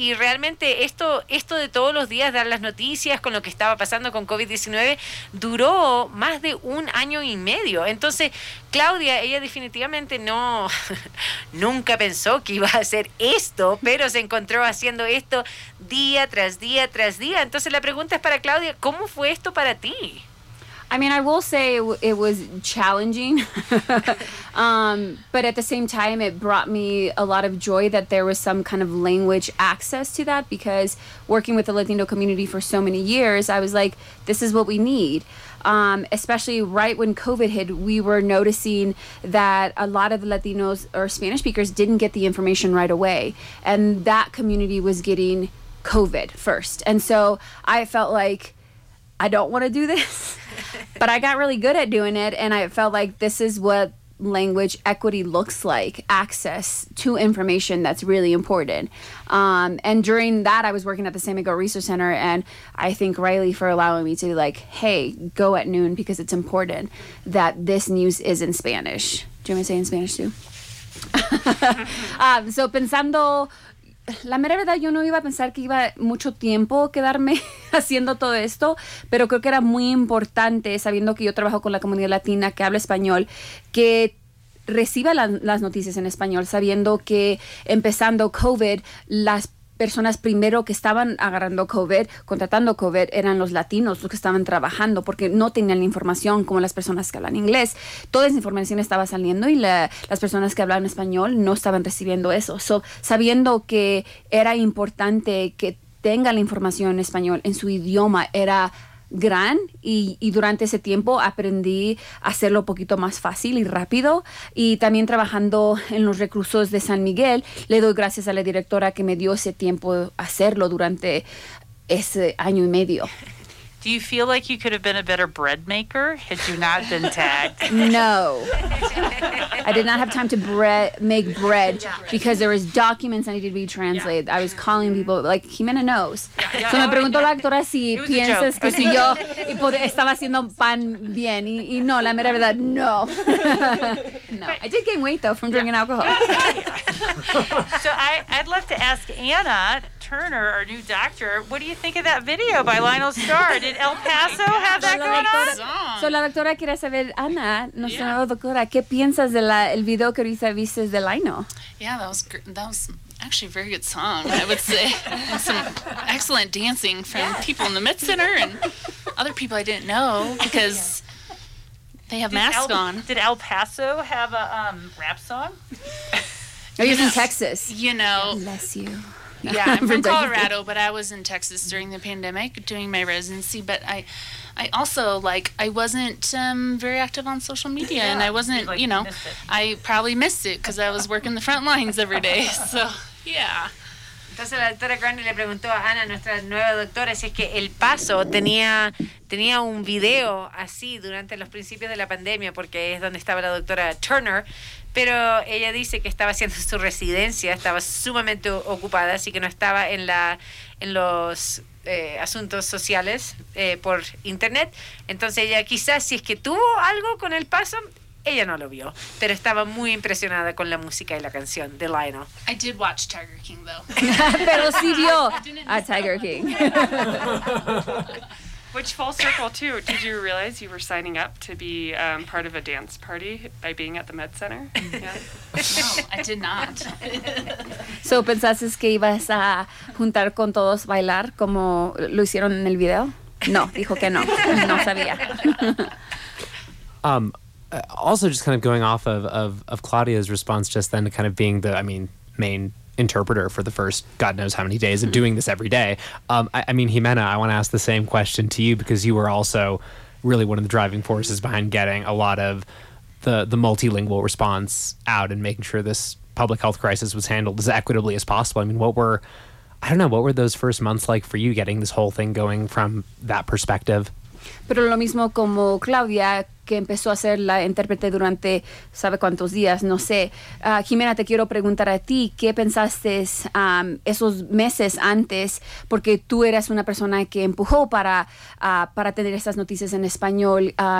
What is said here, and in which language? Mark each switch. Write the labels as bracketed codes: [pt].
[es] Y realmente esto de todos los días dar las noticias con lo que estaba pasando con COVID-19 duró más de un año y medio. Entonces, Claudia, ella definitivamente nunca pensó que iba a hacer esto, pero se encontró haciendo esto día tras día tras día. Entonces, la pregunta es para Claudia, ¿cómo fue esto para ti? [en] I mean, I will say it was challenging, but at the same time, it brought me a lot of joy that there was some kind of language access to that, because working with the Latino community for so many years, I was like, this is what we need. Especially right when COVID hit, we were noticing that a lot of Latinos or Spanish speakers didn't get the information right away, and that community was getting COVID first. And so I felt like, I don't want to do this. But I got really good at doing it, and I felt like this is what language equity looks like, access to information that's really important. And during that, I was working at the San Miguel Resource Center, and I thank Riley for allowing me to be like, hey, go at noon, because it's important that this news is in Spanish. Do you want me to say in Spanish too? [es] So pensando, la mera verdad, yo no iba a pensar que iba mucho tiempo quedarme haciendo todo esto, pero creo que era muy importante, sabiendo que yo trabajo con la comunidad latina que habla español, que reciba las noticias en español, sabiendo que empezando COVID, las personas primero que estaban agarrando COVID, contratando COVID, eran los latinos los que estaban trabajando, porque no tenían la información como las personas que hablan inglés. Toda esa información estaba saliendo y las personas que hablaban español no estaban recibiendo eso. So, sabiendo que era importante que tenga la información en español, en su idioma, era gran, y durante ese tiempo aprendí a hacerlo un poquito más fácil y rápido. Y también trabajando en los reclusos de San Miguel, le doy gracias a la directora que me dio ese tiempo hacerlo durante ese año y medio. [en] Do you feel like you could have been a better bread maker had you not been tagged? No. I did not have time to make bread because there was documents I needed to be translated. Yeah. I was calling people, like, Jimena knows. Yeah. [es] So me preguntó la doctora si piensas que si yo estaba haciendo pan bien. Y no, la mera verdad, no. No. [en] I did gain weight, though, from drinking alcohol. So I'd love to ask Anna Turner, our new doctor, what do you think of that video by Lionel Starr? Did El Paso have that going on? [es] So la doctora quiere saber, Ana, nuestra doctora, ¿qué piensas de el video que ahorita viste de Lionel? [en] Yeah, that was actually a very good song, I would say. Some excellent dancing from people in the Met Center and other people I didn't know, because they have masks on. Did El Paso have a rap song? Are you from Texas? You know. Bless you. Yeah, I'm from Colorado, but I was in Texas during the pandemic doing my residency. But I also, like, I wasn't very active on social media, yeah, and I wasn't, like, you know, I probably missed it because I was working the front lines every day. So, yeah. [es] Entonces la doctora Grande le preguntó a Ana, nuestra nueva doctora, si es que El Paso tenía un video así durante los principios de la pandemia, porque es donde estaba la doctora Turner, pero ella dice que estaba haciendo su residencia, estaba sumamente ocupada, así que no estaba en los asuntos sociales por internet. Entonces ella quizás, si es que tuvo algo con El Paso, ella no lo vio, pero estaba muy impresionada con la música y la canción de Lionel. [en] I did watch Tiger King, though. [es] Pero sí vio a Tiger King. [en] Which, full circle, too, did you realize you were signing up to be part of a dance party by being at the Met Center? Yeah. No, I did not. [es] So, ¿pensaste que ibas a juntar con todos bailar como lo hicieron en el video? No, dijo que no. No sabía. [en] Also, just kind of going off of Claudia's response just then, to kind of being the, I mean, main interpreter for the first God knows how many days and doing this every day. I mean, Jimena, I want to ask the same question to you, because you were also really one of the driving forces behind getting a lot of the multilingual response out and making sure this public health crisis was handled as equitably as possible. I mean, what were those first months like for you, getting this whole thing going from that perspective? [es] Pero lo mismo como Claudia, que empezó a ser la intérprete durante sabe cuántos días, no sé. Jimena, te quiero preguntar a ti, ¿qué pensaste esos meses antes? Porque tú eras una persona que empujó para tener esas noticias en español.